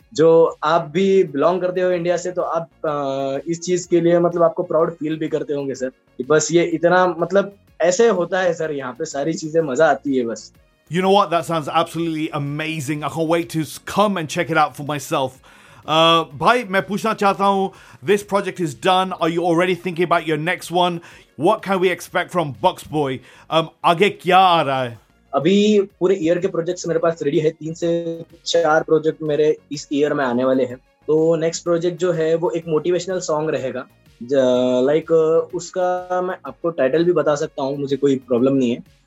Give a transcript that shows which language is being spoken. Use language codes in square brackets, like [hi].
[hi] जो आप भी बिलोंग करते हो इंडिया से, तो आप इस चीज के लिए मतलब आपको प्राउड फील भी करते होंगे सर, बस ये इतना मतलब ऐसे होता है सर, यहाँ पे सारी चीजें मजा आती है बस। [en] You know what? That sounds absolutely amazing. I can't wait to come and check it out for myself. [hi] भाई मैं पूछना चाहता हूँ, [en] this project is done. Are you already thinking about your next one? What can we expect from Box Boy? [hi] आगे क्या आ रहा है? अभी पूरे ईयर के प्रोजेक्ट्स मेरे पास रेडी है, 3 से 4 प्रोजेक्ट मेरे इस ईयर में आने वाले हैं। तो नेक्स्ट प्रोजेक्ट जो है वो एक मोटिवेशनल सॉन्ग रहेगा, लाइक उसका मैं आपको टाइटल भी बता सकता हूँ, मुझे कोई प्रॉब्लम नहीं है।